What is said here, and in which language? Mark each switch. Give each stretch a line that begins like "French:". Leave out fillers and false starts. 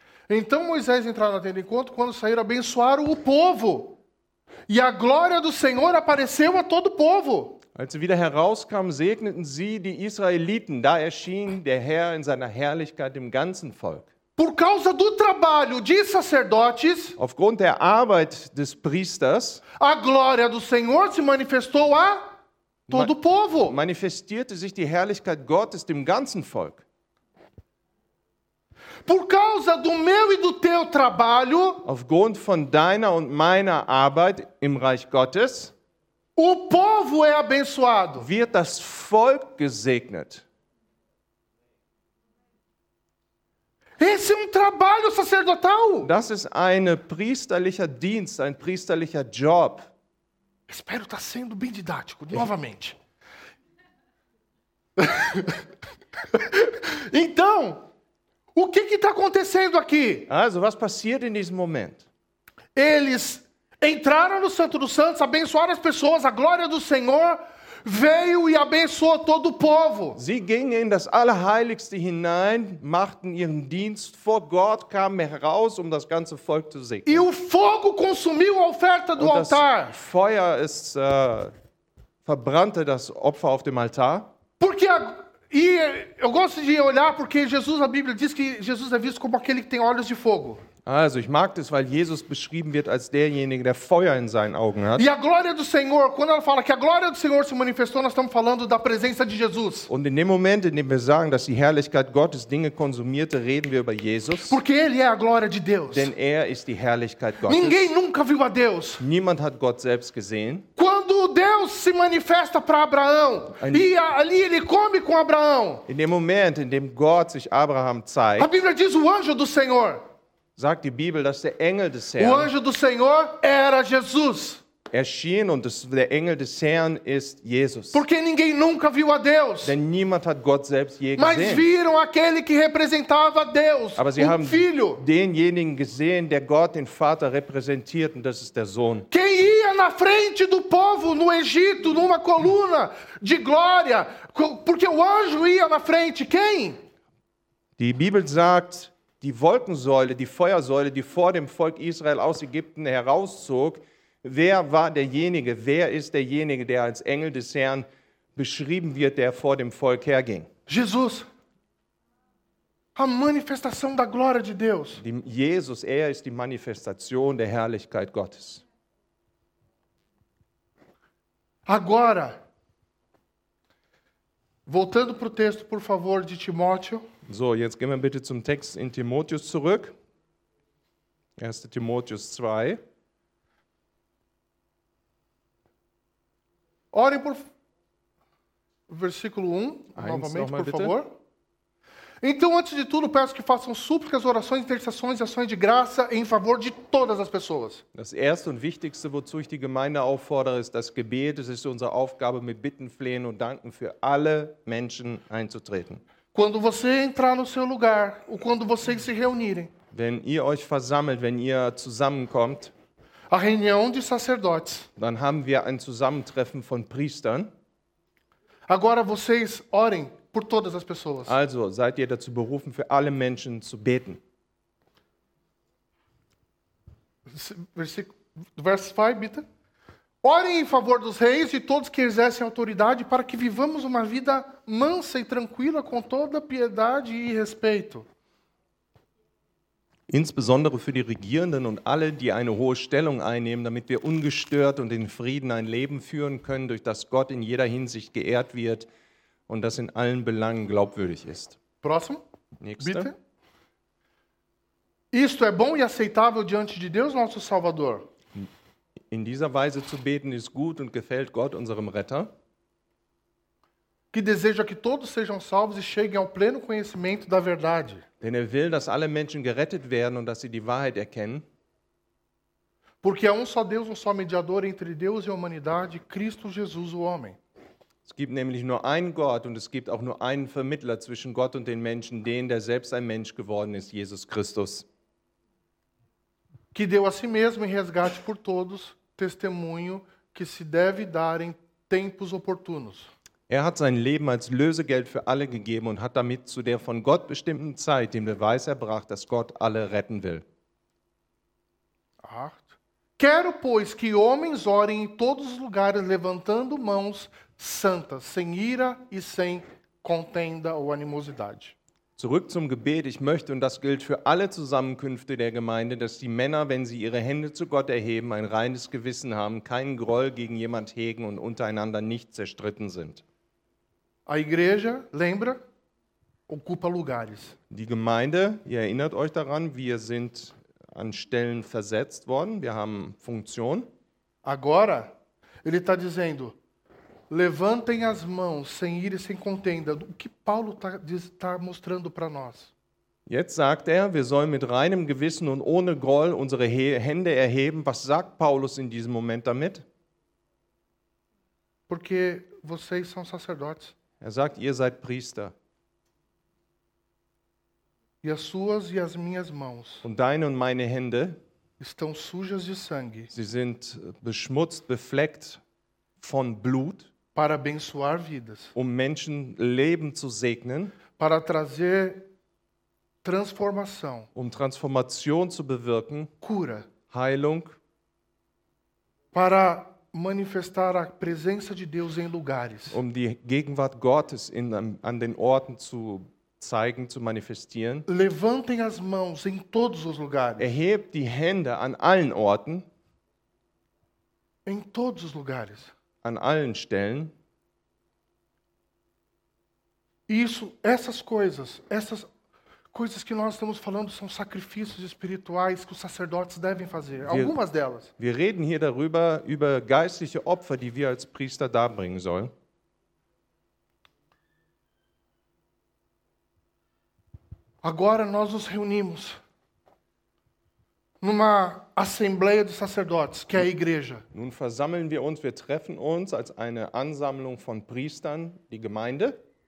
Portuguese: Então Moisés entrou na tenda enquanto quando saíram abençoaram o povo. E a glória do Senhor apareceu a todo o povo.
German: Als sie wieder herauskamen, segneten sie die Israeliten. Da erschien der Herr in seiner Herrlichkeit dem ganzen Volk.
Portuguese: Por causa do trabalho de sacerdotes,
German: aufgrund der Arbeit des Priesters,
Portuguese: a glória do Senhor se manifestou a todo o povo.
German: Manifestierte sich die Herrlichkeit Gottes dem ganzen Volk.
Portuguese: Por causa do meu e do teu trabalho,
German: aufgrund von deiner und meiner Arbeit im Reich Gottes,
Portuguese: o povo é abençoado.
German: Wird das Volk gesegnet.
Portuguese: Esse é trabalho sacerdotal.
German: Das ist ein priesterlicher Dienst, ein priesterlicher Job.
Portuguese: Espero estar sendo bem didático, novamente. Então, o que está acontecendo aqui?
German: Also, was passiert in diesem Moment?
Portuguese: Eles entraram no Santo dos Santos, abençoaram as pessoas, a glória do Senhor veio e abençoou todo o povo.
German: Sie gingen in das Allerheiligste hinein, machten ihren Dienst vor Gott, kamen heraus, das ganze Volk zu segnen.
Portuguese: E o fogo consumiu a oferta do altar.
German: Das Feuer ist, verbrannte das Opfer auf dem Altar.
Portuguese: Porque e eu gosto de olhar porque Jesus, a Bíblia diz que Jesus é visto como aquele que tem olhos de fogo.
German: Also, ich mag das, weil Jesus beschrieben wird als derjenige, der Feuer in seinen Augen hat.
Portuguese: E a glória do Senhor, quando ela fala que a glória do Senhor se manifestou, nós estamos falando da presença de Jesus.
German: Und in dem Moment, in dem wir sagen, dass die Herrlichkeit Gottes Dinge konsumierte, reden wir über Jesus.
Portuguese: Porque ele é a glória de Deus.
German: Denn er ist die Herrlichkeit Gottes.
Portuguese: Ninguém nunca viu a Deus.
German: Niemand hat Gott selbst gesehen.
Portuguese: Quando Deus se manifesta para Abraão, e ali ele come com Abraão.
German: In dem Moment, in dem Gott sich Abraham zeigt.
Portuguese: A Bíblia diz o anjo do Senhor.
German: Sagt die Bibel, dass der Engel des Herrn,
Portuguese: o anjo do Senhor era Jesus.
German: Erschien und der Engel des Herrn ist Jesus.
Portuguese: Porque ninguém nunca viu a Deus.
German: Denn niemand hat Gott selbst je gesehen.
Portuguese: Mas viram aquele que representava Deus,
German: aber sie haben denjenigen gesehen, der Gott, den Vater, repräsentiert, und das ist der Sohn.
Portuguese: Quem ia na frente do povo no Egito, numa coluna de glória, porque o anjo ia na frente, quem?
German: Die Bibel sagt, die Wolkensäule, die Feuersäule, die vor dem Volk Israel aus Ägypten herauszog, Wer war derjenige, wer ist derjenige, der als Engel des Herrn beschrieben wird, der vor dem Volk herging? Jesus.
Portuguese: A manifestação da glória de Deus.
German: Jesus, er ist die Manifestation der Herrlichkeit Gottes.
Portuguese: Agora, voltando pro texto, por favor, de Timóteo.
German: So, jetzt gehen wir bitte zum Text in Timotheus zurück. 1. Timotheus 2.
Portuguese: Ore por versículo 1, novamente, por
German: bitte.
Portuguese: Favor. Então, antes de tudo, peço que façam súplicas, orações, intercessões e ações de graça em favor de todas as pessoas.
German: Das erste und wichtigste, wozu ich die Gemeinde auffordere, ist das Gebet. Es ist unsere Aufgabe, mit Bitten, Flehen und Danken für alle Menschen einzutreten.
Portuguese: Quando você entrar no seu lugar, ou quando vocês se reunirem.
German: Wenn ihr euch versammelt, wenn ihr zusammenkommt.
Portuguese: A reunião de sacerdotes.
German: Dann haben wir ein Zusammentreffen von Priestern.
Portuguese: Agora vocês orem. Por todas as pessoas.
German: Also, seid ihr dazu berufen, für alle Menschen zu beten.
Portuguese: Verso 5,
German: bitte.
Portuguese: Orem em favor dos reis e todos que exercem autoridade para que vivamos uma vida mansa e tranquila com toda piedade e respeito.
German: Insbesondere für die Regierenden und alle, die eine hohe Stellung einnehmen, damit wir ungestört und in Frieden ein Leben führen können, durch das Gott in jeder Hinsicht geehrt wird, und das in allen Belangen glaubwürdig ist.
Portuguese: Próximo.
German: Nächste. Bitte.
Portuguese: Isto é bom e aceitável diante de Deus, nosso Salvador.
German: In dieser Weise zu beten ist gut und gefällt Gott, unserem Retter.
Portuguese: Que deseja que todos sejam salvos e cheguem ao pleno conhecimento da verdade.
German: Denn er will, dass alle Menschen gerettet werden und dass sie die Wahrheit erkennen.
Portuguese: Porque há um só Deus, um só mediador entre Deus e a humanidade, Cristo Jesus, o homem.
German: Es gibt nämlich nur einen Gott und es gibt auch nur einen Vermittler zwischen Gott und den Menschen, den, der selbst ein Mensch geworden ist, Jesus Christus.
Portuguese: Que deu a si mesmo em resgate por todos, testemunho que se deve dar em tempos oportunos.
German: Er hat sein Leben als Lösegeld für alle gegeben und hat damit zu der von Gott bestimmten Zeit den Beweis erbracht, dass Gott alle retten will. Acht.
Portuguese: Quero, pois, que homens orem em todos os lugares levantando mãos santa, sem ira e sem contenda ou animosidade.
German: Zurück zum Gebet. Ich möchte, und das gilt für alle Zusammenkünfte der Gemeinde, dass die Männer, wenn sie ihre Hände zu Gott erheben, ein reines Gewissen haben, keinen Groll gegen jemand hegen und untereinander nicht zerstritten sind.
Portuguese: A igreja, lembra, ocupa lugares.
German: Die Gemeinde, ihr erinnert euch daran, wir sind an Stellen versetzt worden, wir haben Funktion.
Portuguese: Agora, ele está dizendo, levantem as mãos sem ira e sem contenda. O que Paulo está mostrando para nós?
German: Jetzt sagt er, wir sollen mit reinem Gewissen und ohne Groll unsere Hände erheben. Was sagt Paulus in diesem Moment damit?
Portuguese: Porque vocês são sacerdotes.
German: Er sagt, ihr seid Priester.
Portuguese: E as suas e as minhas mãos.
German: Und deine und meine Hände.
Portuguese: Estão sujas de sangue.
German: Sie sind beschmutzt, befleckt. Von Blut,
Portuguese: para abençoar vidas,
German: um Menschenleben zu segnen,
Portuguese: para trazer transformação,
German: um Transformation zu bewirken,
Portuguese: cura,
German: Heilung,
Portuguese: para manifestar a presença de Deus em lugares,
German: um die Gegenwart Gottes an den Orten zu zeigen, zu manifestieren.
Portuguese: Levantem as mãos em todos os lugares.
German: Erhebt die Hände an allen Orten.
Portuguese: Em todos os lugares.
German: An allen Stellen.
Portuguese: Isso, essas coisas que nós estamos falando são sacrifícios espirituais que os sacerdotes devem fazer. Algumas delas.
German: Wir reden hier darüber, über geistliche Opfer, die wir als Priester darbringen sollen.
Portuguese: Agora nós nos reunimos numa assembleia de sacerdotes, que é a igreja.
German: Nun versammeln wir uns, wir treffen uns als eine Ansammlung von Priestern, die Gemeinde.